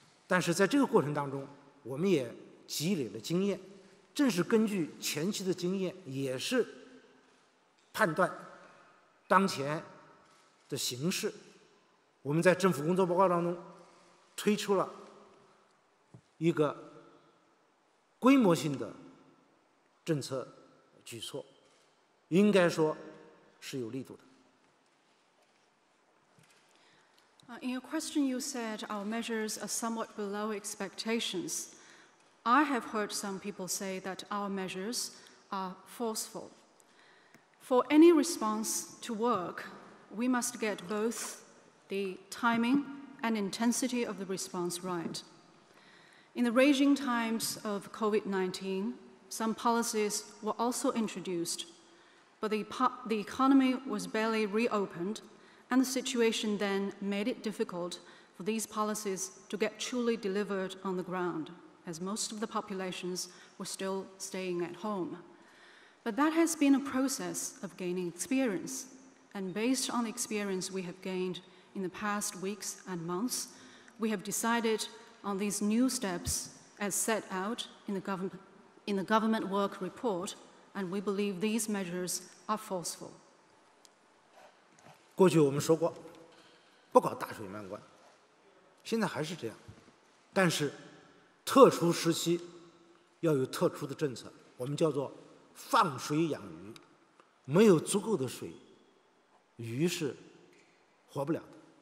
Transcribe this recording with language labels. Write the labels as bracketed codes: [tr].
[zh] 但是在这个过程当中，我们也积累了经验，正是根据前期的经验，也是判断当前的形势，我们在政府工作报告当中推出了一个规模性的政策举措，应该说是有力度的。 [en] In your question, you said our measures are somewhat below expectations. I have heard some people say that our measures are forceful. For any response to work, we must get both the timing and intensity of the response right. In the raging times of COVID-19, some policies were also introduced, but the economy was barely reopened, and the situation then made it difficult for these policies to get truly delivered on the ground, as most of the populations were still staying at home. But that has been a process of gaining experience, and based on the experience we have gained in the past weeks and months, we have decided on these new steps as set out in the government work report, and we believe these measures are forceful. [zh] 过去我们说过，不搞大水漫灌，现在还是这样，但是特殊时期要有特殊的政策，我们叫做放水养鱼，没有足够的水，鱼是活不了的。